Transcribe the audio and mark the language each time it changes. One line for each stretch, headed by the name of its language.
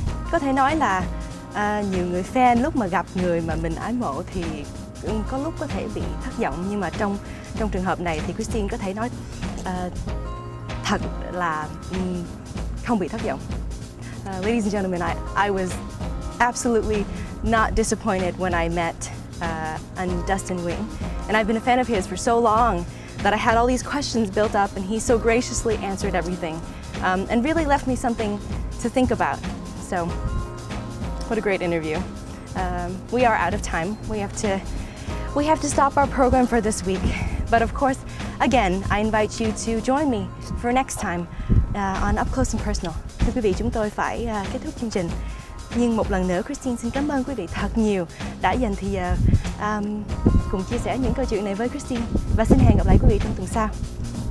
Vietnamese: Có thể nói là nhiều người fan lúc mà gặp người mà mình ái mộ thì có lúc có thể bị thất vọng, nhưng mà trong trường hợp này thì Kristine có thể nói thật là không bị thất vọng.
English: Ladies and gentlemen, I was absolutely not disappointed when I met Dustin Nguyen, and I've been a fan of his for so long that I had all these questions built up, and he so graciously answered everything and really left me something to think about. So what a great interview. We are out of time. We have to stop our program for this week. But of course, again, I invite you to join me for next time on Up Close and Personal.
Vietnamese: Thưa quý vị, chúng tôi phải kết thúc chương trình. Nhưng một lần nữa, Kristine xin cảm ơn quý vị thật nhiều đã dành thời giờ cùng chia sẻ những câu chuyện này với Kristine. Và xin hẹn gặp lại quý vị trong tuần sau.